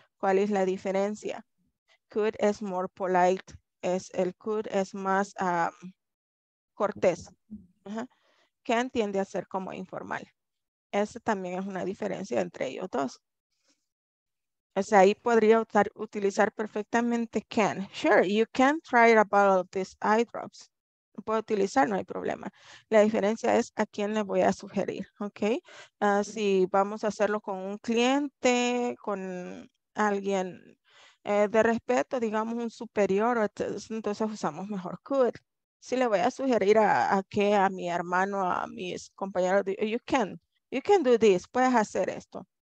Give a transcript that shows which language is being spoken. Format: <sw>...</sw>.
<es>¿Cuál es la diferencia? Could es</es> <en>more polite.</en> <es>Es el could es más... cortés. Uh-huh. Can tiende a ser como informal. Esa también es una diferencia entre ellos dos. O sea, ahí podría utilizar perfectamente can.</es> <en>Sure, you can try a bottle of these eye drops.</en> <es>Puedo utilizar, no hay problema. La diferencia es a quién le voy a sugerir, ¿ok? Si vamos a hacerlo con un cliente, con alguien de respeto, digamos un superior, entonces usamos mejor could. Si le voy a sugerir a mi hermano, a mis compañeros,</es> <en>you can do this,</en> <es>puedes hacer esto.</es>